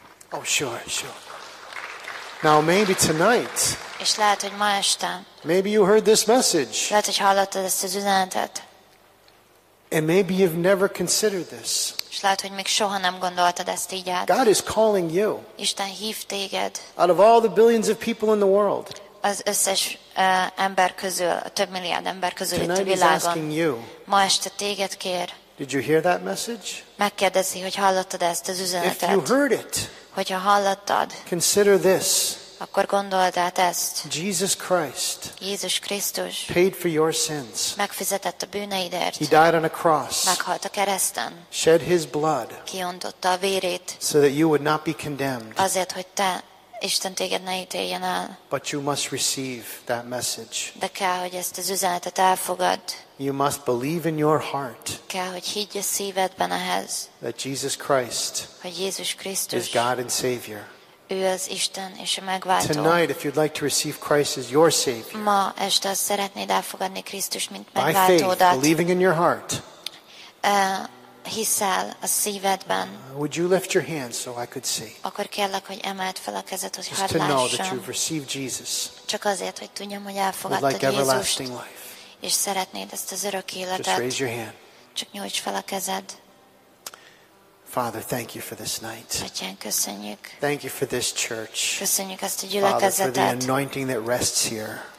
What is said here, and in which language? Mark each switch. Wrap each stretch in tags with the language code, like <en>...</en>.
<en>Oh, sure, sure. Now maybe tonight.</en> <hu>És lehet, hogy ma este.</hu> <en>Maybe you heard this message.</en> <hu>Lehet, hogy hallottad ezt az üzenetet.</hu> <en>And maybe you've never considered this.</en> <hu>És lehet, hogy még soha nem gondoltad ezt így át.</hu> <en>God is calling you.</en> <hu>Isten hív téged.</hu> <en>Out of all the billions of people in the world.</en> <hu>Az összes ember közül, a több milliárd ember közül</hu> <en>tonight</en> <hu>itt a világon.</hu> <en>He's asking you.</en> <hu>Ma este téged kér.</hu> <en>Did you hear that message?</en> <hu>Megkérdezi, hogy hallottad ezt az üzenetet.</hu> <en>If you heard it.</en> <hu>Hogyha hallottad.</hu> <en>Consider this.</en> <hu>Akkor gondold át ezt.</hu> <en>Jesus Christ.</en> <hu>Jézus Krisztus.</hu> <en>Paid for your sins.</en> <hu>Megfizetett a bűneidért.</hu> <en>He died on a cross.</en> <hu>Meghalt a kereszten.</hu> <en>Shed his blood.</en> <hu>Kiontotta a vérét.</hu> <en>So that you would not be condemned.</en> <hu>Azért, hogy te Isten téged ne ítéljen el.</hu> <en>But you must receive that message.</en> <hu>De kell, hogy ezt az üzenetet elfogad.</hu> <en>You must believe in your heart.</en> <hu>Kell, hogy higgy a szívedben ehhez.</hu> <en>That Jesus Christ.</en> <hu>Hogy Jézus Krisztus.</hu> <en>Is God and Savior.</en> <hu>Ő az Isten és a megváltó.</hu> <en>Tonight, if you'd like to receive Christ as your Savior.</en> <hu>Ma este azt szeretnéd elfogadni Krisztus mint megváltódat.</hu> <en>By faith, believing in your heart.</en> <hu>Hiszel a szívedben.</hu> <en>Would you lift your hand so I could see?</en> <hu>Akkor kérlek, hogy emeld fel a kezed, hogy hadd lássam.</hu> <en>Just to know that you've received Jesus.</en> <hu>Csak azért, hogy tudjam, hogy elfogadtad</hu> <en>like</en> <hu>Jézust.</hu> <en>Everlasting life.</en> <hu>És szeretnéd ezt az örök életet.</hu> <en>Just raise your hand.</en> <hu>Csak nyújts fel a kezed.</hu> <en>Father, thank you for this night.</en> <hu>Atyán, köszönjük.</hu> <en>Thank you for this church.</en> <hu>Köszönjük ezt a gyülekezetet.</hu> <en>Father, for the anointing that rests here.</en>